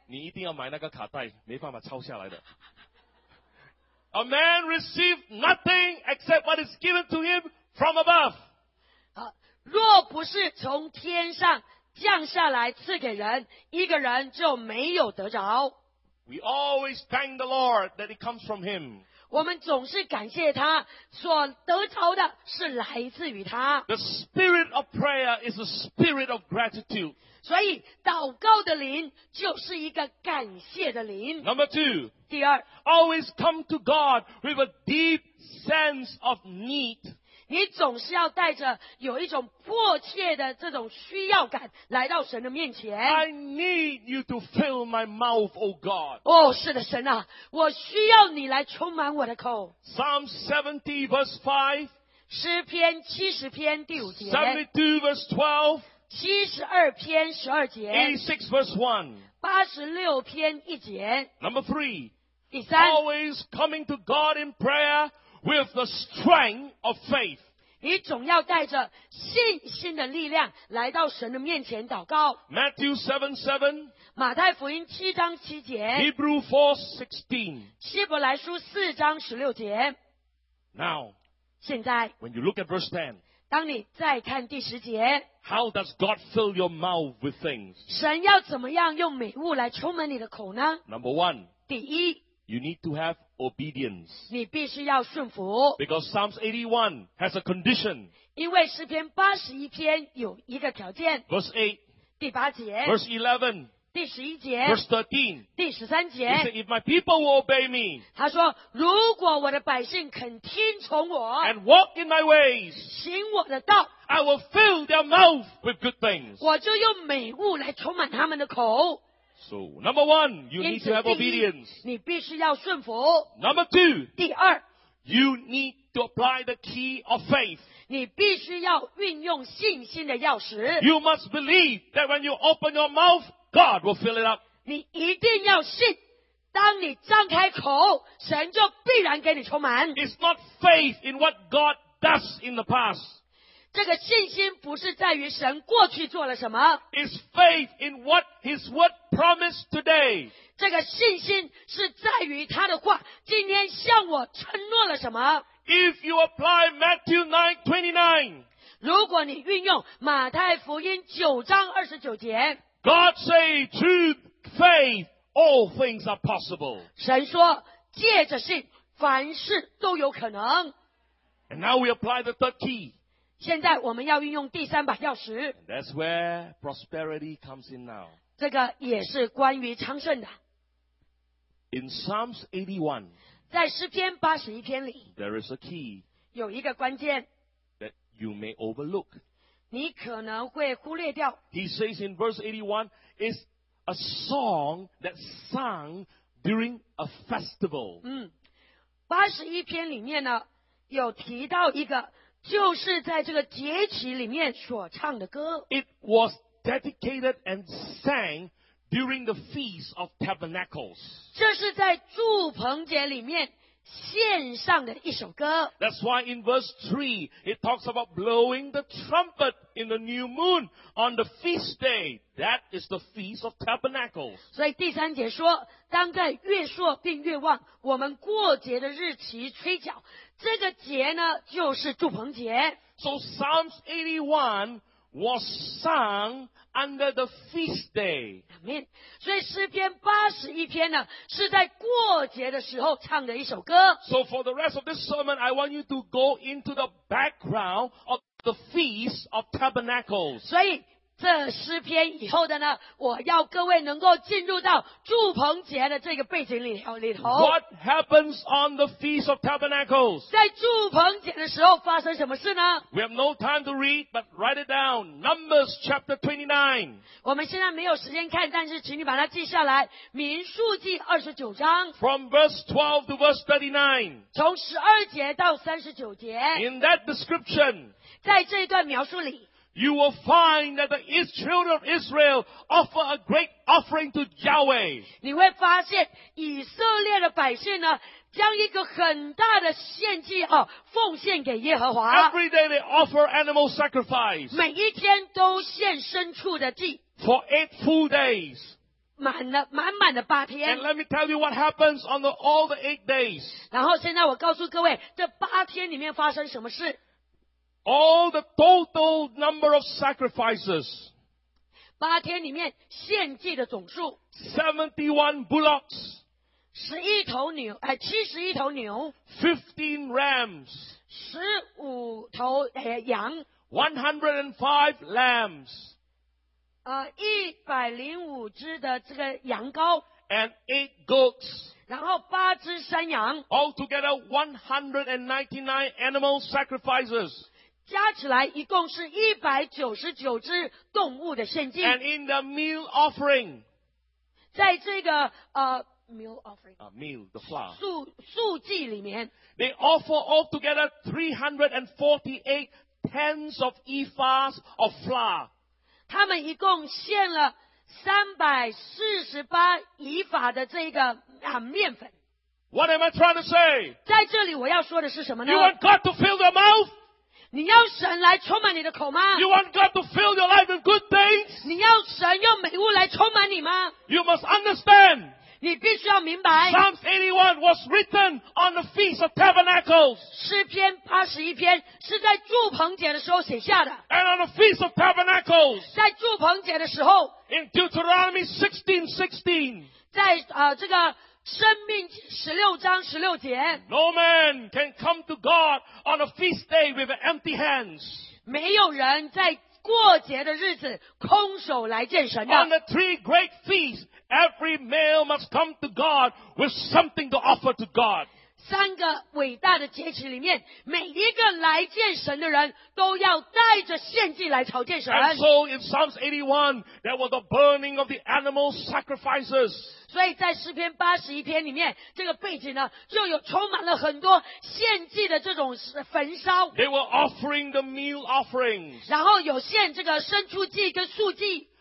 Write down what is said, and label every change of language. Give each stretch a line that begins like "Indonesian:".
Chinese: 你一定要买那个卡带，没办法抄下来的。
English: A man received nothing except what is given to him from above。
Chinese: 若不是从天上降下来赐给人，一个人就没有得着。
English: We always thank the Lord that it comes from Him.
Chinese: 我们总是感谢他，所得着的是来自于他。
English: The spirit of prayer is a spirit of gratitude.
Chinese: 所以祷告的灵就是一个感谢的灵。
English: Number two.
Chinese: 第二。
English: Always come to God with a deep sense of need.
Chinese: 你总是要带着有一种迫切的这种需要感来到神的面前。
English: I need you to fill my mouth, O God.
Chinese: 哦，是的，神啊，我需要你来充满我的口。
English: Psalm 70:5。
Chinese: 诗篇70:5。
English: 72:12。
Chinese: 72:12。
English: 86:1。
Chinese: 86:1。
English: Number 3。
Chinese: 第三。
English: Always coming to God in prayer. With the strength of faith.
Chinese: 你总要带着信心的力量来到神的面前祷告。
English: Matthew 7:7。
Chinese: 马太福音7:7。
English: Hebrews 4:16。
Chinese: 希伯来书4:16。
English: Now,
Chinese: 现在
English: when you look at verse 10,
Chinese: 当你再看第十节，
English: How does God fill your mouth with things?
Chinese: 神要怎么样用美物来充满你的口呢？
English: Number one.
Chinese: 第一，
English: You need to have obedience.
Chinese: 你必须要顺服。
English: Because Psalms 81 has a condition.
Chinese: 因为诗篇81篇有一个条件。
English: Verse 8.
Chinese: 第八节。
English: Verse 11.
Chinese: 第十一节。
English: Verse 13.
Chinese: 第十三节。
English: He said, if my people will obey me.
Chinese: 他说，如果我的百姓肯听从我。
English: And walk in my ways.
Chinese: 行我的道。
English: I will fill their mouth with good things.
Chinese: 我就用美物来充满他们的口。
English: So, number one, you need to have obedience.
Chinese: 你必须要顺服。
English: Number two,
Chinese: 第二，
English: you need to apply the key of faith.
Chinese: 你必须要运用信心的钥匙。
English: You must believe that when you open your mouth, God will fill it up.
Chinese: 你一定要信，当你张开口，神就必然给你充满。
English: It's not faith in what God does in the past.
Chinese: 这个信心不是在于神过去做了什么。
English: It's faith in what His word promised today.
Chinese: 这个信心是在于他的话今天向我承诺了什么。
English: If you apply Matthew 9:29,
Chinese: 如果你运用马太福音9:29,
English: God say through faith, all things are possible.
Chinese: 神说借着信凡事都有可能。
English: And now we apply the third key.
Chinese: 现在我们要运用第三把钥匙。
English: And that's where prosperity comes in now.
Chinese: 这个也是关于昌盛的。
English: In Psalms 81,
Chinese: 在诗篇81篇里
English: there is a key
Chinese: 有一个关键
English: that you may overlook.
Chinese: 你可能会忽略掉。
English: He says in verse 81, it's a song that's sung during a festival.
Chinese: 81篇里面呢有提到一个就是在这个节期里面所唱的歌。
English: It was dedicated and sang during the Feast of Tabernacles.
Chinese: 这是在祝棚节里面献上的一首歌。
English: That's why in verse 3, it talks about blowing the trumpet in the new moon on the feast day. That is the Feast of Tabernacles.
Chinese: 所以第三节说，当在月朔并月望，我们过节的日期吹角。这个节呢，就是祝棚节。
English: So Psalms 81 was sung under the feast day. Amen.
Chinese: 所以诗篇81篇呢是在过节的时候唱的一首歌。
English: So for the rest of this sermon, I want you to go into the background of the Feast of Tabernacles.
Chinese: 所以这诗篇以后的呢我要各位能够进入到祝棚节的这个背景里头。
English: What happens on the Feast of Tabernacles?
Chinese: 在祝棚节的时候发生什么事呢？
English: We have no time to read, but write it down. Numbers chapter 29.
Chinese: 我们现在没有时间看，但是请你把它记下来。民数记29章。
English: From verse 12 to verse 39.
Chinese: 从12节到39节。
English: In that description.
Chinese: 在这一段描述里。
English: You will find that the children of Israel offer a great offering to Yahweh.
Chinese: 你会发现以色列的百姓呢将一个很大的献祭哦奉献给耶和华。
English: Every day they offer animal sacrifice.
Chinese: 每一天都献牲畜的祭。
English: For 8 full days.
Chinese: 满满的八天。
English: And let me tell you what happens on all the 8 days.
Chinese: 然后现在我告诉各位这八天里面发生什么事。
English: All the total number of sacrifices.
Chinese: 八天里面献祭的总数。
English: 71 bullocks.
Chinese: 71头牛。
English: 15 rams.
Chinese: 15头羊。
English: 105 lambs.
Chinese: 105只的这个羊羔。
English: And 8 goats.
Chinese: 然后八只山羊。
English: Altogether 199 animal sacrifices.
Chinese: 加起来一共是199只动物的献祭。
English: And in the meal offering,
Chinese: 在这个
English: meal offering, meal, the flour,
Chinese: 素祭里面
English: they offer altogether 348 tens of ephahs of flour.
Chinese: 他们一共献了348以法的这个面粉。
English: What am I trying to say?
Chinese: 在这里我要说的是什么呢？
English: You want God to fill your mouth?
Chinese: 你要神来充满你的口吗？
English: You want God to fill your life with good things?
Chinese: 你要神用美物来充满你吗？
English: You must understand.
Chinese: 你必须要明白。
English: Psalms 81 was written on the Feast of Tabernacles.
Chinese: 诗篇81篇是在祝棚节的时候写下的。
English: And on the Feast of Tabernacles.
Chinese: 在祝棚节的时候。
English: In Deuteronomy 16:16.
Chinese: 在这个生命16:16。
English: No man can come to God on a feast day with empty hands.
Chinese: 没有人在过节的日子空手来见神的。
English: On the three great feasts, every male must come to God with something to offer to God.
Chinese: 三个伟大的节期里面，每一个来见神的人都要带着献祭来朝见神。
English: And so in Psalms 81, there was the burning of the animal sacrifices.
Chinese: 所以在诗篇81篇里面这个背景呢就有充满了很多献祭的这种焚烧。
English: They were offering the meal offerings.
Chinese: 然后有献这个牲畜祭跟素祭。